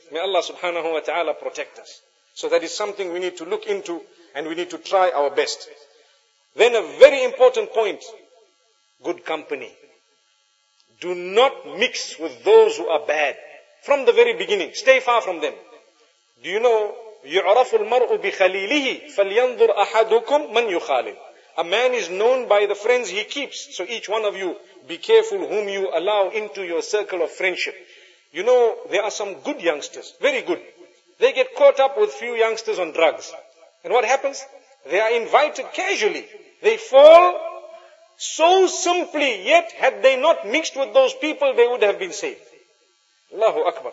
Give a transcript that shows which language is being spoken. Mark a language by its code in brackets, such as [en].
[en] May Allah subhanahu wa ta'ala protect us. So that is something we need to look into, and we need to try our best. Then a very important point, good company. Do not mix with those who are bad. From the very beginning, stay far from them. Do you know, [ar] يُعْرَفُ الْمَرْءُ بِخَلِيلِهِ فَلْيَنْظُرْ أَحَدُكُمْ مَنْ يُخَالِلْ. [en] A man is known by the friends he keeps. So each one of you, be careful whom you allow into your circle of friendship. You know, there are some good youngsters, very good. They get caught up with few youngsters on drugs. And what happens? They are invited casually. They fall so simply, yet had they not mixed with those people, they would have been saved. Allahu Akbar.